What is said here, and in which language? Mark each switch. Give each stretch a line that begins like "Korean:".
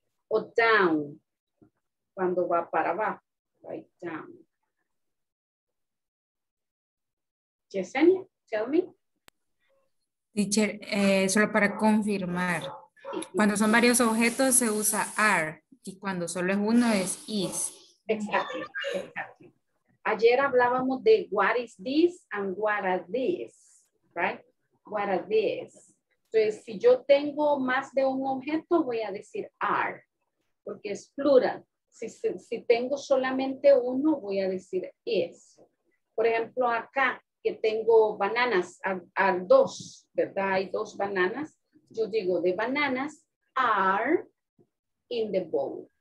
English: Or down,
Spanish: cuando va para abajo, right? Down.
English: Yesenia, tell me.
Spanish: Teacher, solo para confirmar. Cuando son varios objetos se usa are, y cuando solo es uno es is.
English: Exactly, exactly.
Spanish: Ayer hablábamos de
English: what is this and what are these, right? What are these?
Spanish: Entonces, si yo tengo más de un objeto, voy a decir are, porque es plural. Si tengo solamente uno, voy a decir is. Por ejemplo, acá, que tengo bananas, are dos, ¿verdad? Hay dos bananas. Yo digo,
English: the bananas are in the bowl.